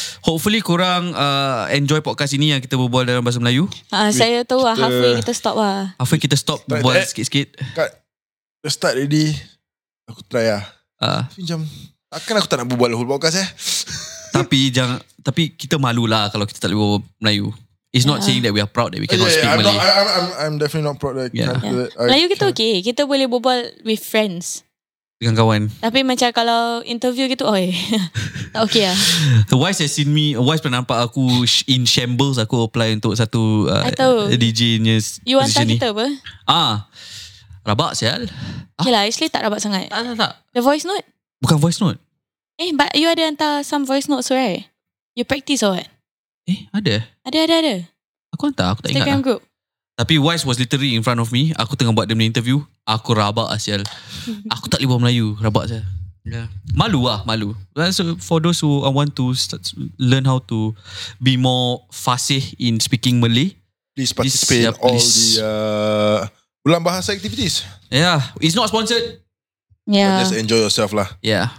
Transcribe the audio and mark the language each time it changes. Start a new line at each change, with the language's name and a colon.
Malay: Hopefully korang enjoy podcast ini yang kita berbual dalam bahasa Melayu. Saya tahu lah, halfway kita stop lah. Halfway kita stop berbual sikit-sikit. Kat, dah start ready. Aku try lah. Macam, takkan aku tak nak berbual
English: whole podcast
Malay: eh. Tapi kita malulah kalau kita tak boleh berbual Melayu.
English: It's not saying that we are proud that we cannot speak Malay. I'm definitely not proud that I can't do that.
Malay: Melayu kita okay. Kita boleh berbual
English: with friends.
Malay: Dengan kawan. Tapi macam kalau interview gitu, oi. Tak okay lah.
English: The wife has seen me,
Malay: wife pernah nampak aku
English: in shambles,
Malay: aku apply untuk satu DJ ni.
English: You want time kita apa?
Malay: Rabak sial. Okay lah, actually tak rabak sangat. Tak.
English: The voice note?
Malay: Bukan voice note.
English: But you
Malay: ada hantar
English: some voice notes, right? You practice or what?
Malay: Ada. Ada. Aku hantar, aku tak
English: Instagram
Malay: ingat
English: group. Tapi Wise was literally in front of me.
Malay: Aku tengah buat dia punya interview. Aku rabak asyal. Aku tak boleh buat Melayu. Rabak asyal. Malu lah, malu.
English: So for those who want to start, learn how to be more fasih in speaking Malay. Please participate in all the ulang bahasa activities. Yeah, it's not sponsored. Yeah. Just enjoy yourself lah. Yeah.